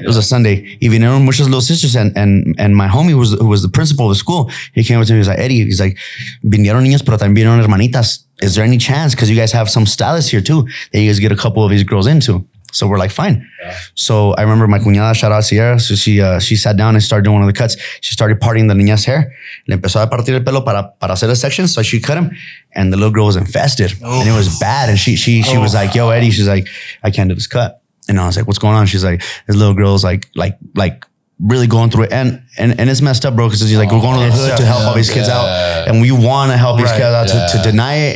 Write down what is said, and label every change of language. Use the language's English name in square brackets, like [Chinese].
[English] Yeah. It was a Sunday. [Spanish] Y vinieron muchos [English] little sisters. And my homie, who was the principal of the school, he came with me. He was like, Eddie, he's like, [Spanish] vinieron niños, pero también vinieron hermanitas. [English] Is there any chance? Because you guys have some status here too, that you guys get a couple of these girls into. So we're like, fine. Yeah. So I remember my cuñada, shout out Sierra. So she sat down and started doing one of the cuts. She started parting the niña's hair. [Spanish] Le empezó a partir el pelo para hacer [English] a section. So she cut him and the little girl was infested. Oh. And it was bad. And she was like, yo, Eddie, she's like, I can't do this cut. And I was like, what's going on? She's like, this little girl's like really going through it. And it's messed up, bro. Cause she's like, we're going to the hood to help all these kids out. And we want to help these kids out to deny it.